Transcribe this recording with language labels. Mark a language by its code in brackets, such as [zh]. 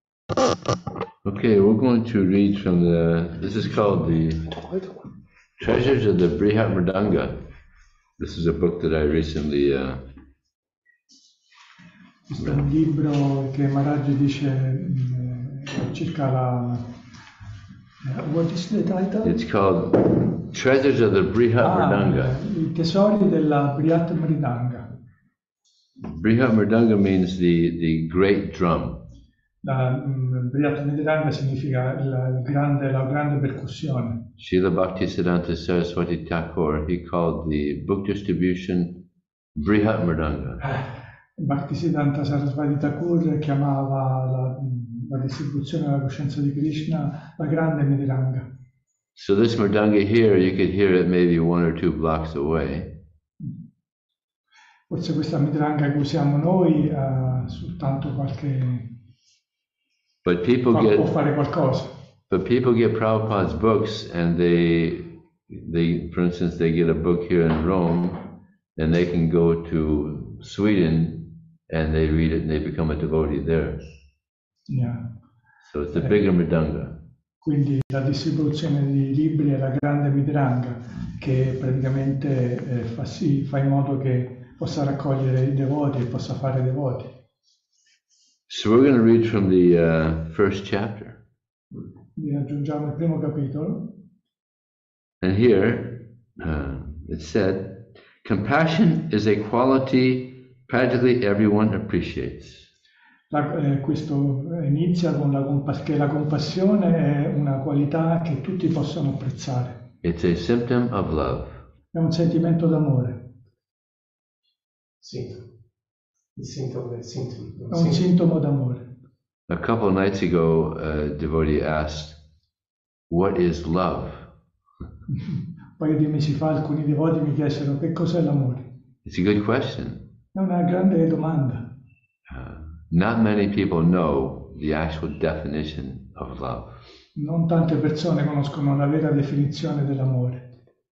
[en] Okay, we're going to read from the, this is called the Treasures of the Brihat Mridanga. This is a book that I recently [it] Questo è un libro che Maharaj dice circa la... [en] What is the title? It's called Treasures of the Brihat Mridanga. [it] I tesori della Brihat Mridanga. [en] Brihat Mridanga means the great drum. [it] Brihat Mridanga significa la grande percussione. [en] Srila Bhaktisiddhanta Saraswati Thakur, he called the book distribution Brihat Mridanga. [it] Bhaktisiddhanta Sarasvati Thakur chiamava la distribuzione della coscienza di Krishna la grande Mridanga. [en] So this Mridanga here, you could hear it maybe one or two blocks away. [it] Forse questa Mridanga che usiamo noi soltanto qualche... [en] But people [it] fa, [en] get, [it] può fare qualcosa. [en] But people get Prabhupada's books and they, for instance, they get a book here in Rome and they can go to Sweden and they read it and they become a devotee there. Yeah. So it's a bigger Mridanga. [it] Quindi la distribuzione di libri è la grande Mridanga che praticamente fa in modo che possa raccogliere i devoti e possa fare devoti. [en] So we're going to read from the first chapter. [it] Vi aggiungiamo il primo capitolo. [en] And here it said, compassion is a quality practically everyone appreciates. [it] Questo inizia con la compassione è una qualità che tutti possono apprezzare. [en] It's a symptom of love. [it] È un sentimento d'amore. Sintomo. È un sintomo d'amore. [en] A couple of nights ago, a devotee asked, "What is love?" [it] Un paio di mesi fa, alcuni devoti mi chiesero che cos'è l'amore. [en] It's a good question. [it] È una grande domanda. [en] Not many people know the actual definition of love. [it] Non tante persone conoscono la vera definizione dell'amore.